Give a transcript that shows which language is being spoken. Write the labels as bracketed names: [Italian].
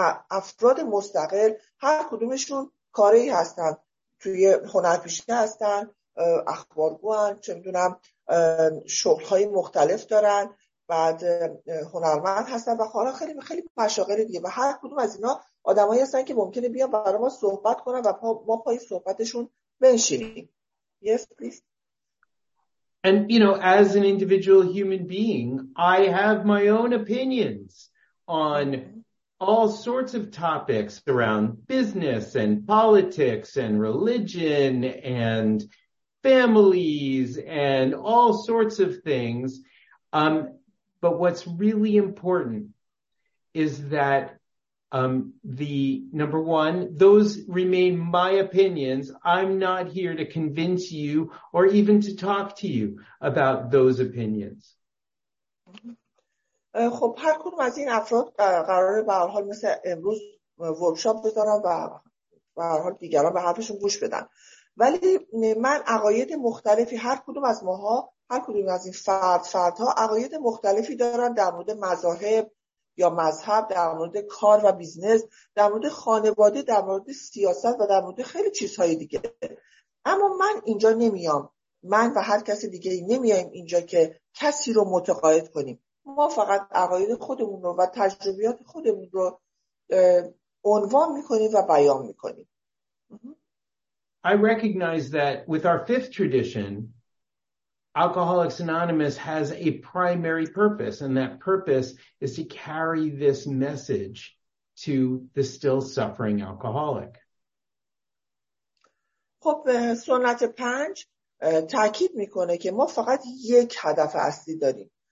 [Persian] افراد مستقل هر کدومشون کاری هستن، توی هنرپیشه هستن، اخبارگو هستن، چه میدونم شغل های مختلف دارن، بعد هنرمند هستن و حالا خیلی خیلی مشاغل دیگه و هر کدوم از اینا آدمایی هستن که ممکنه بیان برای ما صحبت کنن و ما پای صحبتشون بنشینیم. [English] Yes, please. And, you know, as an individual human being, I have my own opinions on all sorts of topics around business and politics and religion and families and all sorts of things. But what's really important is that the number one, those remain my opinions. I'm not here to convince you or even to talk to you about those opinions. [Persian] خب هر کدوم از این افراد قراره به هر حال مثل امروز ورکشاپ بذارن و به هر حال دیگران به حرفشون گوش بدن، ولی من عقاید مختلفی، هر کدوم از ماها، هر کدوم از این فردها عقاید مختلفی دارن در مورد مذاهب یا مذهب، در مورد کار و بیزنس، در مورد خانواده، در مورد سیاست و در مورد خیلی چیزهای دیگه. اما من اینجا نمیام، من و هر کسی دیگه نمیایم اینجا که کسی رو متقاعد کنیم. ما فقط عقاید خودمون رو و تجربیات خودمون رو عنوان میکنیم و بیان میکنیم. [English] I recognize that with our fifth tradition, Alcoholics Anonymous has a primary purpose, and that purpose is to carry this message to the still suffering alcoholic. [Persian] خب سنت پنج تأکید میکنه که ما فقط یک هدف اصلی داریم.